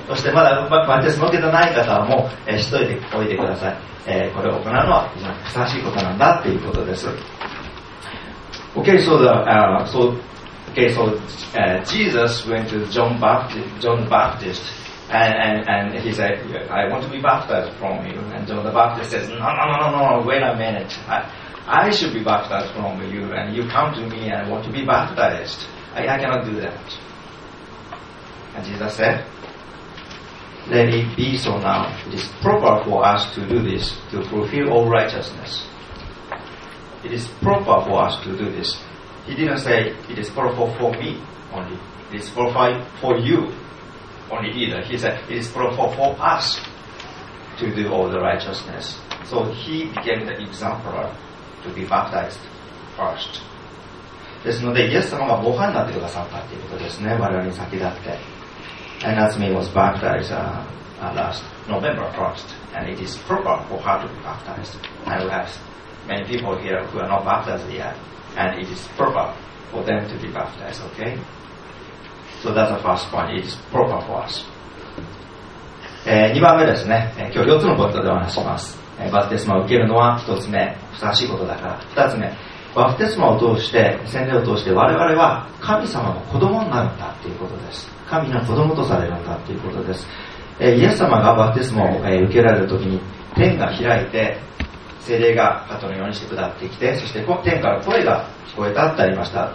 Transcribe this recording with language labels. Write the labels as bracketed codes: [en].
[ja] そしてまだバプテスマを受けてない方はもう、しといておいてください。これを行うのは非常にふさわしいことなんだということです。 [en] Okay, so the, so, okay, so, Jesus went to John the Baptist and he said, I want to be baptized from you. And John the Baptist says, no, wait a minute. I should be baptized from you, and you come to me and want to be baptized. I cannot do that. And Jesus said, Let it be so now. It is proper for us to do this, to fulfill all righteousness. It is proper for us to do this. He didn't say, It is proper for me only. It is proper for you only either. He said, It is proper for us to do all the righteousness. So he became the exemplarTo be baptized first. [ja] ですので、イエス様が模範になってくださったということですね、我々に先立って。 [en] And Natsumi was baptized last November 1st, and it is proper for her to be baptized. And we have many people here who are not baptized yet, and it is proper for them to be baptized, okay? So that's the first point, it is proper for us. [ja] 2番目ですね、今日4つのポイントでお話します。バプテスマを受けるのは一つ目、ふさわしいことだから。二つ目、バプテスマを通して、洗礼を通して、我々は神様の子供になるんだということです。神の子供とされるんだということです。イエス様がバプテスマを受けられるときに、天が開いて、聖霊が鳩のようにして下ってきて、そして天から声が聞こえたってありました。